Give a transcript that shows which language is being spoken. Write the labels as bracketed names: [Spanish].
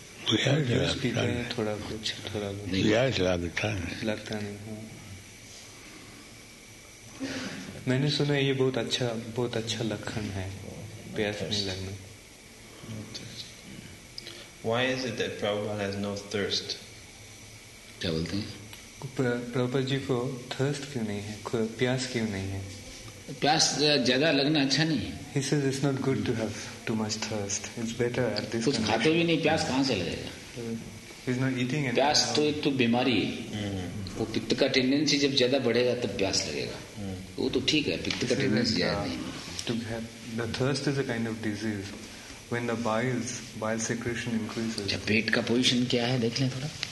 [Hindi] प्यास लगता है थोड़ा कुछ थोड़ा कुछ प्यास लगता है लगता नहीं मैंने सुना ये बहुत अच्छा लक्षण है प्यास नहीं लगना [English] Why is it that Prabhupada has no thirst? [Hindi] क्या बोलते हैं प्रभुपाद जी को थर्स्ट क्यों नहीं है प्यास क्यों नहीं है प्यास ज्यादा लगना अच्छा नहीं [English] He says it's not good to have too much thirst. It's better at this. [Hindi] कुछ खाते भी नहीं प्यास कहाँ से लगेगा? [English] He's not eating. [Hindi] प्यास तो एक तो बीमारी है. वो पित्त का टेंडेंसी जब ज्यादा बढ़ेगा तब प्यास लगेगा. वो तो ठीक है पित्त का टेंडेंसी ज्यादा नहीं. [English] To have the thirst is a kind of disease. When the bile secretion increases. [Hindi] जब पेट का पोजीशन क्या है देख लें थोड़ा.